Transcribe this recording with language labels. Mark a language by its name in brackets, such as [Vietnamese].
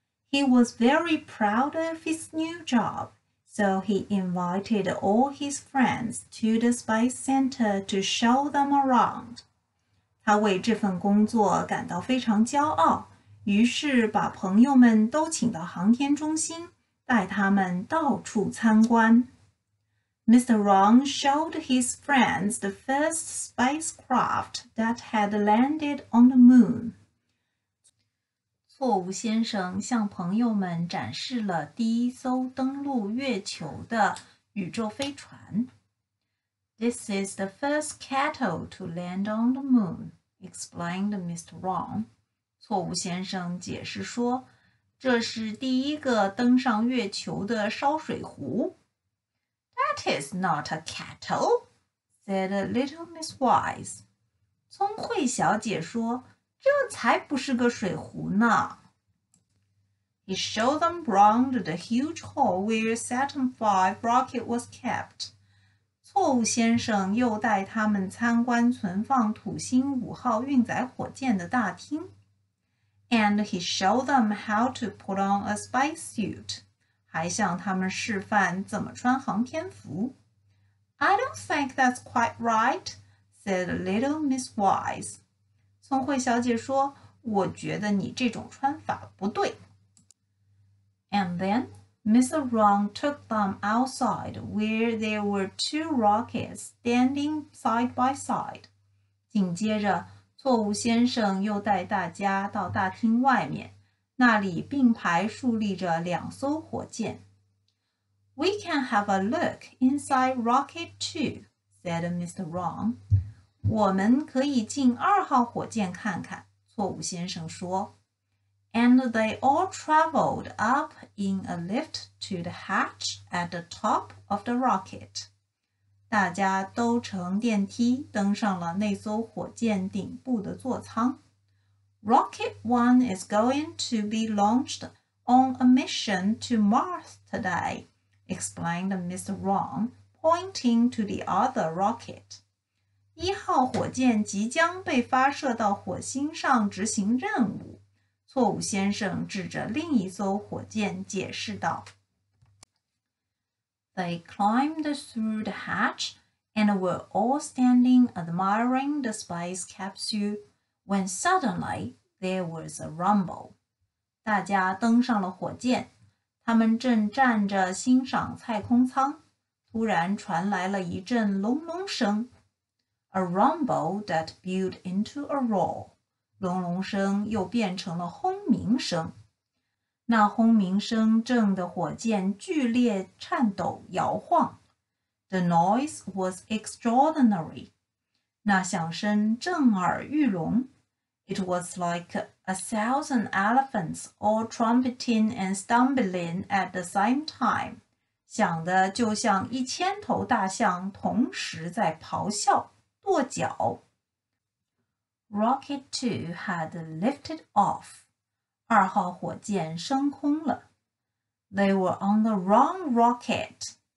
[English] He was very proud of his new job, so he invited all his friends to the Space Center to show them around. [Chinese] 他为这份工作感到非常骄傲，于是把朋友们都请到航天中心，带他们到处参观。 [English] Mr. Ron showed his friends the first spacecraft that had landed on the moon. [Chinese] 错误先生向朋友们展示了第一艘登陆月球的宇宙飞船。 [English] This is the first kettle to land on the moon, explained Mr. Ron. [Chinese] 错误先生解释说，这是第一个登上月球的烧水壶。 [English] That is not a kettle, said Little Miss Wise. [Chinese] 聪慧小姐说，这才不是个水壶呢。 [English] He showed them round the huge hall where Saturn V rocket was kept. [Chinese] 错误先生又带他们参观存放土星五号运载火箭的大厅。 [English] And he showed them how to put on a space suit. [Chinese] 还向他们示范怎么穿航天服。 [English] I don't think that's quite right, said Little Miss Wise. [Chinese] 聪慧小姐说，我觉得你这种穿法不对。 [English] And then, Mr. Ron took them outside where there were two rockets standing side by side. [Chinese] 紧接着，错误先生又带大家到大厅外面。那里并排竖立着两艘火箭。 [English] We can have a look inside Rocket 2, said Mr. Ron. [Chinese] 我们可以进二号火箭看看，错误先生说。 [English] And they all traveled up in a lift to the hatch at the top of the rocket. [Chinese] 大家都乘电梯登上了那艘火箭顶部的座舱。 [English] Rocket 1 is going to be launched on a mission to Mars today, explained Mr. Ron, pointing to the other rocket. [Chinese] 一号火箭即将被发射到火星上执行任务。错误先生指着另一艘火箭解释道。 [English] They climbed through the hatch and were all standing admiring the space capsule when suddenly,There was a rumble. [Chinese] 大家登上了火箭，他们正站着欣赏太空舱，突然传来了一阵隆隆声。 [English] A rumble that built into a roar. [Chinese] 隆隆声又变成了轰鸣声。那轰鸣声震得火箭剧烈颤抖摇晃。 [English] The noise was extraordinary. [Chinese] 那响声震耳欲聋。 [English] It was like 1,000 elephants all trumpeting and stumbling at the same time. [Chinese] 响的就像一千头大象同时在咆哮、跺脚。 [English] Rocket 2 had lifted off. [Chinese] 二号火箭升空了。 [English] They were on the wrong rocket.